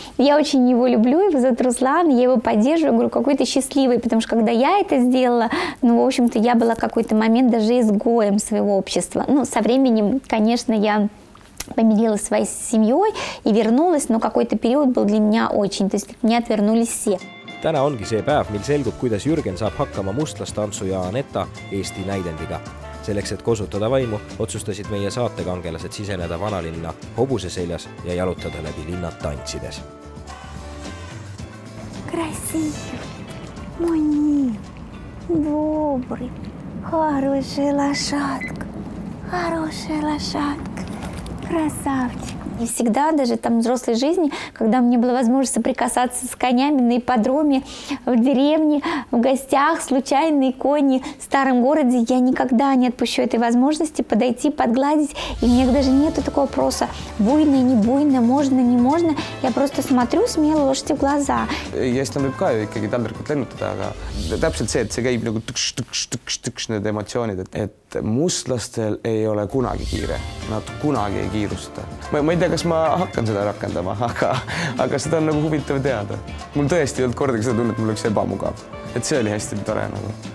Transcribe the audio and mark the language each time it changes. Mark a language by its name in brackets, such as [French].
[Russian] Я очень его люблю, его зовут Руслан, я его поддерживаю, говорю, какой ты счастливый, потому что когда я это сделала, ну, в общем-то, я была какой-то момент даже изгоем своего общества. Ну, со временем, конечно, я помирилась своей семьей и вернулась, но какой-то период был для меня очень, то есть от меня отвернулись все. [Estonian] Täna ongi see päev, mil selgub, kuidas Jürgen saab hakkama mustlastantsu ja Anetta Eesti näidendiga. Selleks, et kosutada vaimu, otsustasid meie saatekangelased siseneda vanalinna hobuse seljas ja jalutada läbi linna tantsides. [Russian] Красивый, мой, добрый, хороший лошадка, хороший лошадка, красавчик. И всегда, даже там в взрослой жизни, когда мне была возможность соприкасаться с конями на ипподроме, в деревне, в гостях, случайные кони в старом городе, я никогда не отпущу этой возможности подойти, подгладить. И у меня даже нету такого вопроса, буйно, не буйно, можно, не можно. Я просто смотрю смело лошади в глаза. Есть там рыбка, и какие-то андрекут ленут, да, [Estonian] täpselt see, et see käib nagu tükk-tükk-tükk-tükk, need emotsioonid, et mustlastel ei ole kunagi kiire, nad kunagi ei kiirusta. Ma ei tea, kas ma hakkan seda rakendama, aga seda on nagu huvitav teada. Mul tõesti ei olnud kordagi seda tunnet, et mul oleks ebamugav. Et see oli hästi tore nagu.